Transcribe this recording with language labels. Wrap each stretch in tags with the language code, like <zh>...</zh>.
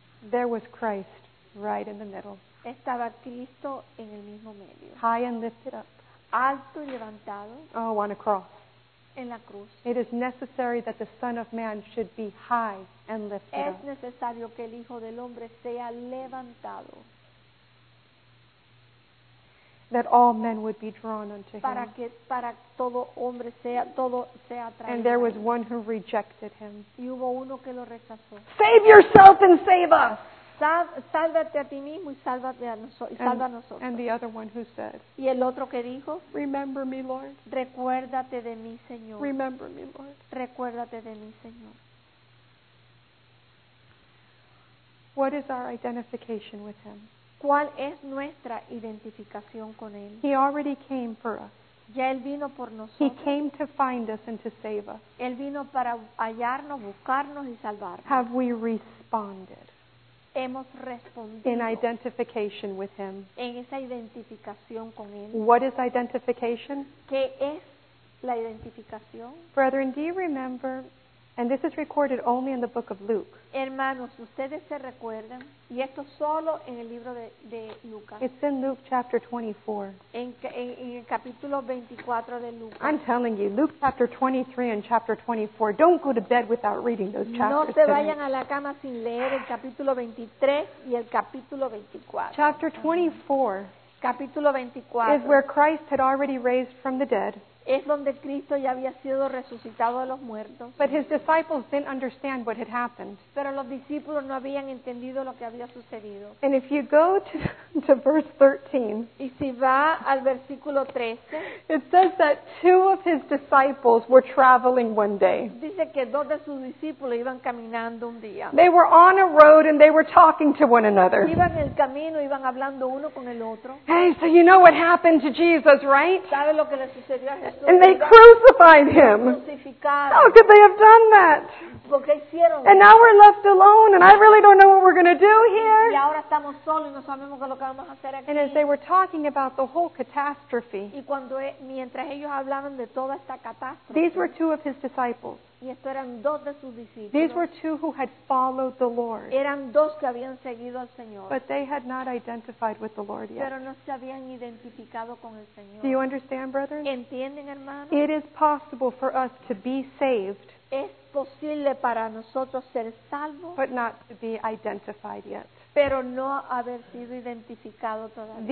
<en>There was Christ right in the middle.</en> <es>Estaba Cristo en el mismo medio.</es> <en>High and lifted up.</en> <es>Alto y levantado.</es> <en>Oh, on a cross.</en> <es>En la cruz.</es> <en>It is necessary that the Son of Man should be high and lifted up.</en> <es>Es necesario que el Hijo del Hombre sea levantado.</es> <en>That all men would be drawn unto him.</en> <es>Para que para todo hombre sea todo sea atraído.</es> <en>And there was one who rejected him.</en> <es>Y hubo uno que lo rechazó.</es> <en>Save yourself and save us.</en> <es>Sálvate a ti mismo y sálvate a nosotros.</es> <en>And, and the other one who said.</en> <es>Y el otro que dijo.</es> <en>Remember me, Lord.</en> <es>Recuérdate de mí, Señor.</es> <en>Remember me, Lord.</en> <es>Recuérdate de mí, Señor.</es> <en>What is our identification with him?</en> <es>¿Cuál es nuestra identificación con Él?</es> <en>He already came for us.</en> <es>Ya Él vino por nosotros.</es> <en>He came to find us and to save us.</en> <es>Él vino para hallarnos, buscarnos y salvarnos.</es> <en>Have we responded?</en> <es>Hemos respondido.</es> <en>In identification with Him.</en> <es>En esa identificación con Él.</es> <en>What is identification?</en> <es>¿Qué es la identificación?</es> <en>Brethren, do you remember? And this is recorded only in the book of Luke.</en> <es>Hermanos, ustedes se recuerdan, y esto solo en el libro de Lucas.</es> <en>It's in Luke chapter 24.</en> <es>En el capítulo 24 de Lucas.</es> <en>I'm telling you, Luke chapter 23 and chapter 24, don't go to bed without reading those chapters.</en> <es>No se vayan a la cama sin leer el capítulo 23 y el capítulo 24.</es> <en>Chapter 24.</en> <es>Capítulo 24.</es> <en>Is where Christ had already raised from the dead.</en> <es>es donde Cristo ya había sido resucitado de los muertos.</es> <en>But his disciples didn't understand what had happened.</en> <es>Pero los discípulos no habían entendido lo que había sucedido.</es> <en>And if you go to verse 13,</en> <es>y si va al versículo 13,</es> <en>it says that two of his disciples were traveling one day.</en> <es>Dice que dos de sus discípulos iban caminando un día.</es> <en>They were on a road and they were talking to one another.</en> <es>Iban en el camino, iban hablando uno con el otro.</es> <en>Hey, so you know what happened to Jesus, right?</en> <es>¿Sabe lo que le sucedió a Jesús?</es> <en>And they crucified him. How could they have done that?</en> <es>Porque hicieron.</es> <en>And now we're left alone and I really don't know what we're going to do here.</en> <es>Y ahora estamos solos y no sabemos qué es lo que vamos a hacer aquí.</es> <en>And as they were talking about the whole catastrophe,</en> <es>y cuando, mientras ellos hablaban de toda esta catástrofe,</es> <en>these were two of his disciples.</en> <es>Y estos eran dos de sus discípulos.</es> <en>These were two who had followed the Lord.</en> <es>Eran dos que habían seguido al Señor.</es> <en>But they had not identified with the Lord yet.</en> <es>Pero no se habían identificado con el Señor.</es> <en>Do you understand, brothers?</en> <es>¿Entienden, hermanos?</es> <en>It is possible for us to be saved.</en> <es>Es posible para nosotros ser salvos.</es> <en>But not to be identified yet.</en> <es>Pero no haber sido identificado todavía.</es>